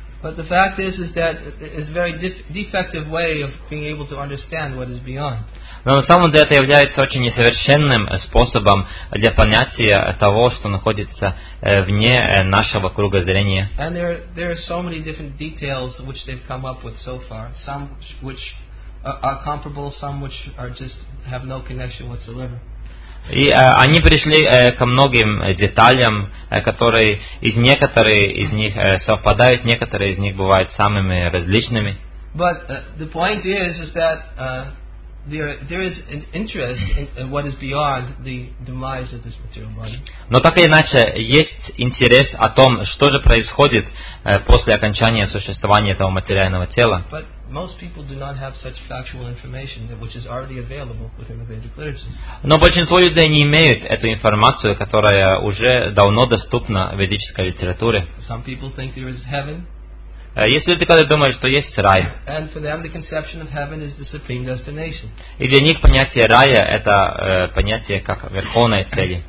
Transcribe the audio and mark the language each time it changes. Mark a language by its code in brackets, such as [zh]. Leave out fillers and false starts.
[en] But the fact is that it's a very defective way of being able to understand what is beyond. [ru] Но на самом деле это является очень несовершенным способом для понятия того, что находится вне нашего круга зрения. [en] And there are so many different details which they've come up with so far, some which are comparable, some which are just have no connection whatsoever. [ru] И они пришли ко многим деталям, которые из некоторых из них совпадают, некоторые из них бывают самыми различными. [en] But the point is that there is an interest in what is beyond the demise of this material body. [ru] Но так или иначе, есть интерес о том, что же происходит после окончания существования этого материального тела. [en] But most people do not have such factual information, which is already available within the Vedic literature. [ru] Но большинство людей не имеют эту информацию, которая уже давно доступна в ведической литературе. [en] Some people think there is heaven. [ru] Есть люди, которые думают, что есть рай. [en] And for them, the conception of heaven is the supreme destination. [ru] И для них понятие рая – это понятие как верховная цель.